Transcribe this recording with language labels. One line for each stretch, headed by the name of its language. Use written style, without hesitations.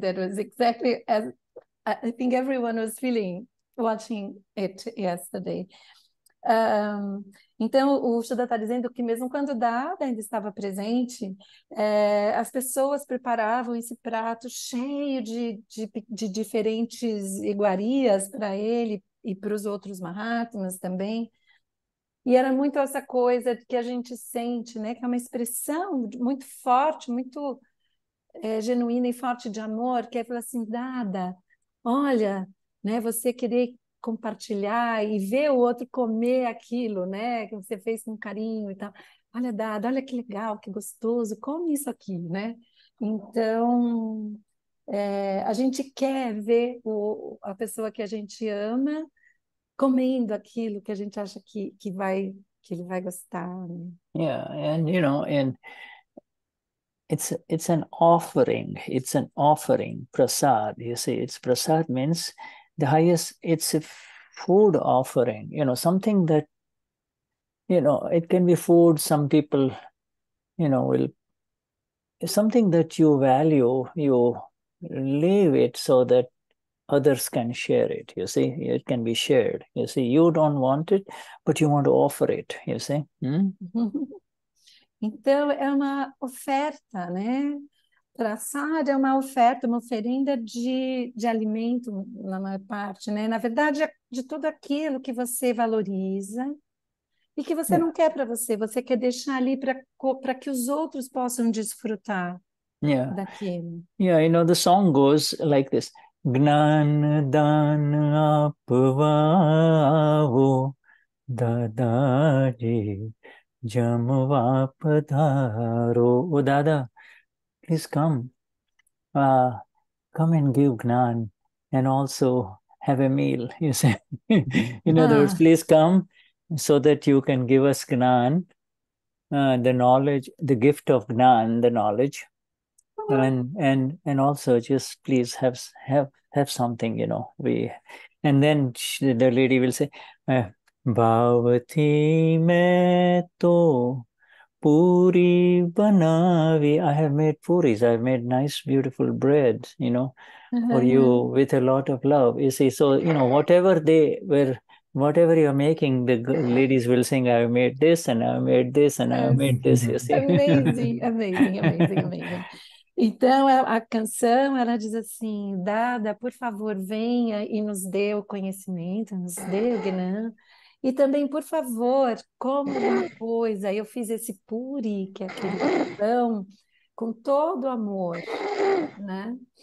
English: That was exactly as I think everyone was feeling watching it yesterday.
Portuguese: Então, o Shuddha está dizendo que mesmo quando Dada ainda estava presente, as pessoas preparavam esse prato cheio de diferentes iguarias para ele e para os outros Mahatmas também. E era muito essa coisa que a gente sente, né? Que é uma expressão muito forte, muito genuína e forte de amor, que é falar assim, Dada, olha, né, você querer compartilhar e ver o outro comer aquilo, né, que você fez com carinho e tal. Olha, Dada, olha que legal, que gostoso, come isso aqui, né? Então, a gente quer ver a pessoa que a gente ama comendo aquilo que a gente acha que ele vai gostar. Né?
English: Yeah, and you know, and it's an offering, it's an offering, prasad, you see, it's prasad means the highest, it's a food offering, you know, something that, you know, it can be food, some people, you know, will, something that you value, you leave it so that others can share it, you see, it can be shared, you see, you don't want it, but you want to offer it, you see.
Portuguese: Então, é uma oferta, né? Traçado é uma oferenda de alimento, na maior parte, né? Na verdade, é de tudo aquilo que você valoriza e que você não quer para você. Você quer deixar ali para que os outros possam desfrutar daquilo.
English: Yeah, you know, the song goes like this.
Gujarati: Gnan dan apvavo dadaji jamvapadharo.
English: O Dada, please come. Come and give Gnan and also have a meal, you say. In other words, please come so that you can give us Gnan, the knowledge, the gift of Gnan, the knowledge. And also just please have something, you know. And then the lady will say,
Gujarati: Bhavati meto. Puri banavi.
English: I have made puris. I have made nice, beautiful bread, you know, for you with a lot of love. You see, so, you know, whatever they were Whatever you're making, the ladies will sing, I made this and I made this and I made this. Amazing, amazing, amazing, amazing.
Portuguese: Então, a canção, ela diz assim, Dada, por favor, venha e nos dê o conhecimento, nos dê o Gnan. E também, por favor, como uma coisa, eu fiz esse puri, que é aquele pão, com todo amor, né?